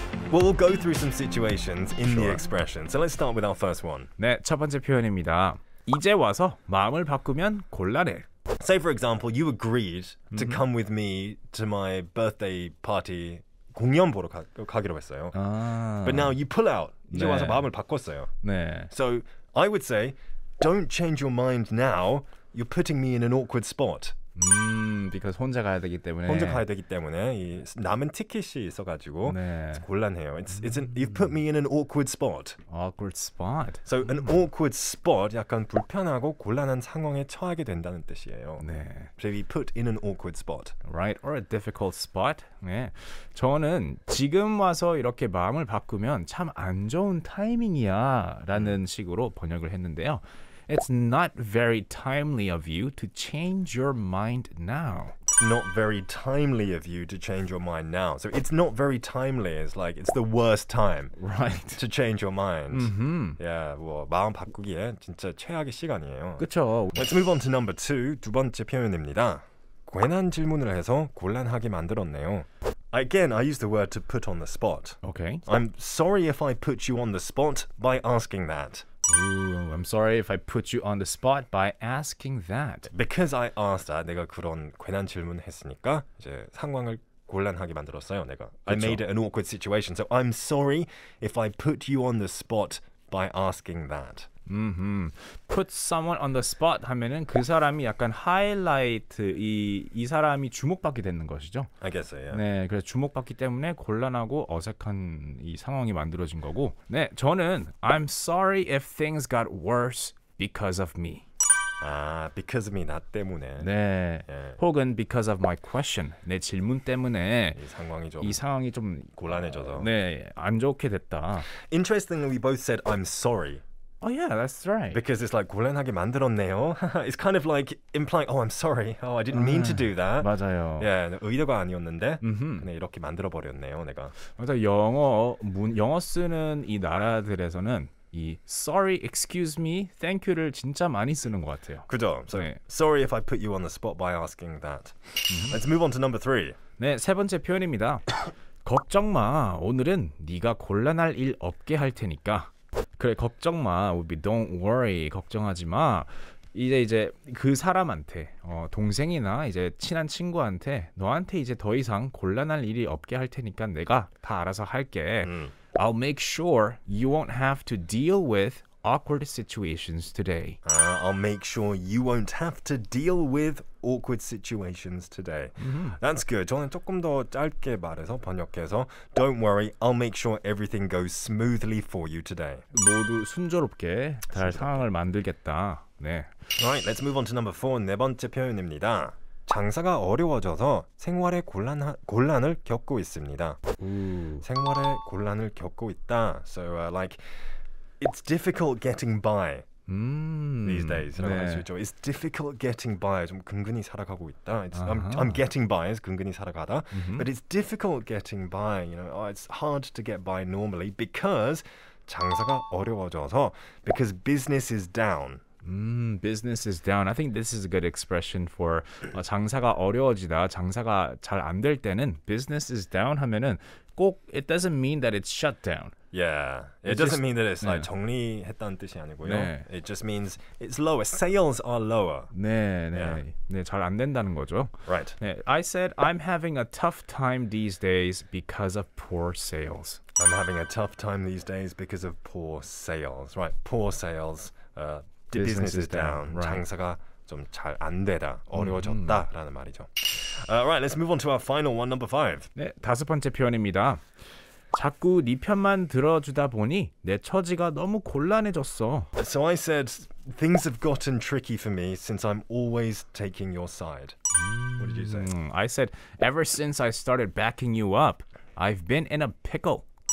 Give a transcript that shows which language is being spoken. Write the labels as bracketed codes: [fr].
[en] Well, we'll go through some situations in the expression. So let's start with our first one. [ko] 네, 첫 번째 표현입니다. 이제 와서 마음을 바꾸면 곤란해. [en] Say for example, you agreed to come with me to my birthday party [ko] 공연 보러 가기로 했어요. 아. [en] But now you pull out. [ko] 이제 네. 와서 마음을 바꿨어요. 네. [en] So I would say, don't change your mind now. You're putting me in an awkward spot. Because [ko] 혼자 가야 되기 때문에. 혼자 가야 되기 때문에 이 남은 티켓이 있어가지고 네. 곤란해요. [en] You've put me in an awkward spot. Awkward spot. So an awkward spot [ko] 약간 불편하고 곤란한 상황에 처하게 된다는 뜻이에요. 네. [en] So you put in an awkward spot. Right, or a difficult spot. 네. [ko] 저는 지금 와서 이렇게 마음을 바꾸면 참 안 좋은 타이밍이야 라는 식으로 번역을 했는데요. [en] It's not very timely of you to change your mind now. Not very timely of you to change your mind now. So it's not very timely. It's like it's the worst time, right? To change your mind. Mm-hmm. [ko] Yeah, 뭐 마음 바꾸기에 진짜 최악의 시간이에요. 그렇죠. [en] Let's move on to number two. [ko] 두 번째 표현입니다. 괜한 질문을 해서 곤란하게 만들었네요. [en] Again, I use the word to put on the spot. Okay. I'm sorry if I put you on the spot by asking that. Ooh, I'm sorry if I put you on the spot by asking that. Because I asked that, [ko] 내가 그런 괜한 질문 했으니까 이제 상황을 곤란하게 만들었어요, 내가. 그쵸? [en] I made it an awkward situation. So I'm sorry if I put you on the spot by asking that. [ko] Mm-hmm. [en] Put someone on the spot [ko] 하면은 그 사람이 약간 하이라이트이 이 사람이 주목받게 되는 것이죠. [en] I guess so, yeah. [ko] 네, 그래서 주목받기 때문에 곤란하고 어색한 이 상황이 만들어진 거고. 네, 저는 [en] I'm sorry if things got worse because of me. [ko] 아, [en] because of me, [ko] 나 때문에. 네, yeah. 혹은 [en] because of my question, [ko] 내 질문 때문에 이 상황이 좀 곤란해져서. 네, 안 좋게 됐다. [en] Interestingly, we both said I'm sorry. Oh yeah, that's right. Because it's like [ko] 곤란하게 만들었네요. [en] It's kind of like implying, oh, I'm sorry. Oh, I didn't mean to do that. [ko] 맞아요. Yeah, 의도가 아니었는데, 네 이렇게 만들어 버렸네요, 내가. 맞아, 영어 쓰는 이 나라들에서는 이 sorry, excuse me, thank you를 진짜 많이 쓰는 것 같아요. 그죠. So, 네. [en] Sorry if I put you on the spot by asking that. Let's move on to number three. [ko] 네, 세 번째 표현입니다. 걱정 마. 오늘은 네가 곤란할 일 없게 할 테니까. 그래 걱정 마. [en] Would be don't worry. [ko] 걱정하지 마. 이제 그 사람한테 동생이나 이제 친한 친구한테 너한테 이제 더 이상 곤란할 일이 없게 할 테니까 내가 다 알아서 할게. [en] I'll make sure you won't have to deal with awkward situations today. I'll make sure you won't have to deal with awkward situations today. That's good. [ko] 저는 조금 더 짧게 말해서 번역해서 [en] Don't worry, I'll make sure everything goes smoothly for you today. [ko] 모두 순조롭게 잘 상황을 만들겠다. 네. [en] Right, let's move on to number four. [ko] 네 번째 표현입니다. 장사가 어려워져서 생활에 곤란을 겪고 있습니다. 생활에 곤란을 겪고 있다. [en] So like it's difficult getting by these days. [ko] 네. [en] It's difficult getting by. [ko] 좀 근근히 살아가고 있다. [en] I'm getting by. [ko] 근근히 살아가다. Mm-hmm. [en] But it's difficult getting by. You know, it's hard to get by normally because [ko] 장사가 어려워져서 [en] because business is down. Business is down. I think this is a good expression for [ko] 장사가 어려워지다. 장사가 잘 안 될 때는 [en] business is down [ko] 하면은 꼭 [en] it doesn't mean that it's shut down. Yeah, it doesn't mean that it's 네. like [ko] 정리했다는 뜻이 아니고요. 네. [en] It just means it's lower. Sales are lower. [ko] 네, 네, yeah. 네, 잘 안 된다는 거죠. [en] Right. [ko] 네, [en] I said I'm having a tough time these days because of poor sales. I'm having a tough time these days because of poor sales. Right, poor sales. Business is down. Right. [ko] 장사가 좀 잘 안 되다, 어려워졌다라는 말이죠. [en] Alright, let's move on to our final one, number five. [ko] 네, 다섯 번째 표현입니다. 자꾸 네 편만 들어주다 보니 내 처지가 너무 곤란해졌어. [en] So I said things have gotten tricky for me since I'm always taking your side. What did you say? I said ever since I started backing you up, I've been in a pickle.